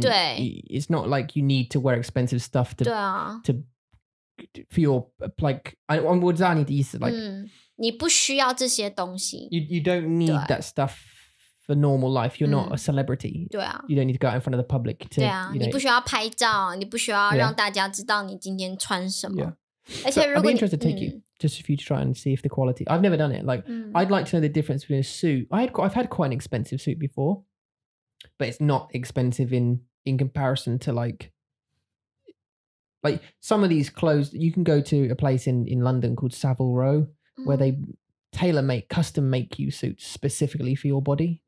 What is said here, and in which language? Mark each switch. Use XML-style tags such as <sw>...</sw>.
<zh>对，</zh> <en>it's not like you need to wear expensive stuff to</en> <zh>对啊</zh> <en>toFor your, like, I would say, need to use it. Like,</en> <zh>你不需要这些东西</zh> <en>you don't need that stuff for normal life. You're not a celebrity.</en> <zh>对啊</zh> <en>You don't need to go out in front of the public to,</en> <zh>对啊 you</zh> <en>know,</en> <zh>你不需要拍照，你不需要让大家知道你今天穿什么。而且如果</zh> <en>I'd be interested to take you just for you to try and see if the quality. I've never done it. Like, I'd like to know the difference between a suit. I've had quite an expensive suit before, but it's not expensive in comparison to like some of these clothes. You can go to a place in London called Savile Row, where they custom make you suits specifically for your body.</en>